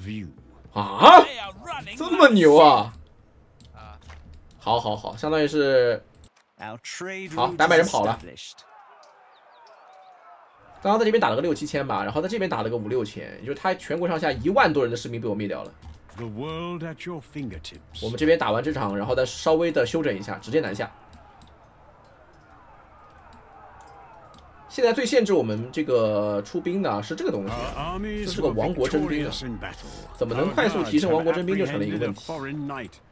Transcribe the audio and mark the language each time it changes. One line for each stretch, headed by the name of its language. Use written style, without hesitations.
Chinese: view 啊，这么牛啊！啊，好，相当于是，好，丹麦人跑了。刚刚在这边打了个6000-7000吧，然后在这边打了个5000-6000，也就是他全国上下10000多人的士兵被我灭掉了。
English: The world at your fingertips.
Chinese: 我们这边打完这场，然后再稍微的休整一下，直接南下。现在最限制我们这个出兵的是这个东西，就是个王国征兵的，怎么能快速提升王国征兵就成了一个问题。